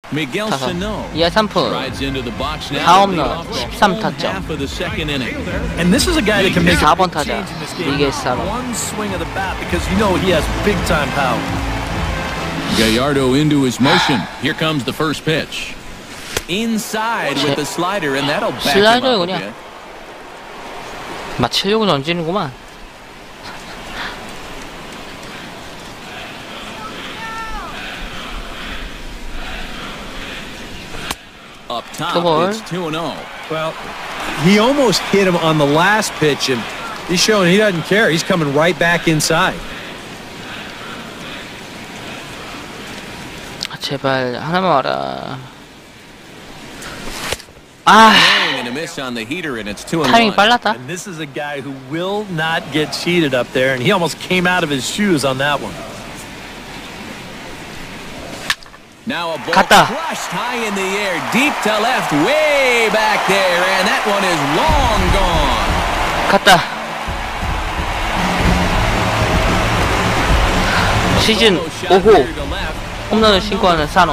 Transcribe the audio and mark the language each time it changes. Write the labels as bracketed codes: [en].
[ko] 타선 2할 3푼 4홈런 13타점 이게 4번 타자 이게 4번 [en] Gallardo into his motion. Here comes the first pitch. Inside with the slider, and that'll back him up. [ko] 슬라이더 그냥 맞추려고 던지는구만. 두 볼. [en] Well, he almost hit him on the last pitch, and he's showing he doesn't care. He's coming right back inside. [ko] 제발 하나만 와라. 아. 타이밍 빨랐다. [en] And this is a guy who will not get cheated up there and he almost came out of his shoes on that one. Now a ball crushed high in the air deep to left way back there and that one is long gone. [ko] 갔다. 시즌 5호 홈런을 신고하는 사노.